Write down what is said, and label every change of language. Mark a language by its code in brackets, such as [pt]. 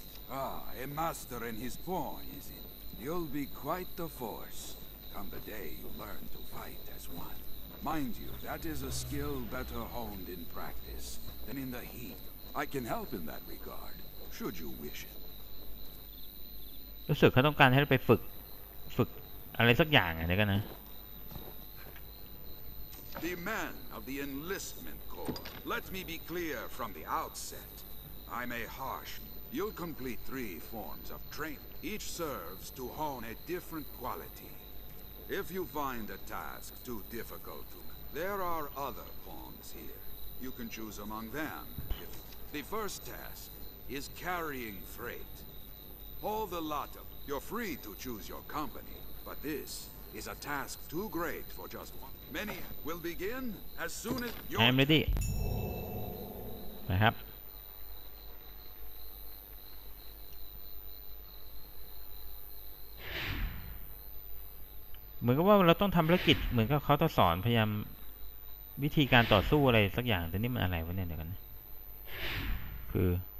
[en] A master in his pawn is it? You'll be quite the force. Come the day you learn to fight as one. Mind you, that is a skill better honed in practice than in the heat. I can help in that regard, should you wish it. [th] รู้สึกเขาต้องการให้เราไปฝึกอะไรสักอย่างอะไรกันนะ [en] The man of the enlistment corps. Let me be clear from the outset. I'm a harsh. You'll complete three forms of training. Each serves to hone a different quality. If you find a task too difficult to, there are other pawns here. You can choose among them. The first task is carrying freight. Haul the lot of. You're free to choose your company, but this is a task too great for just one. Many will begin as soon as you are ready. [th] นะครับเหมือนกับว่าเราต้องทำธุรกิจเหมือนกับเขาต้องสอนพยายามวิธีการต่อสู้อะไรสักอย่างแต่นี่มันอะไรวะเนี่ยเดี๋ยวกันคือ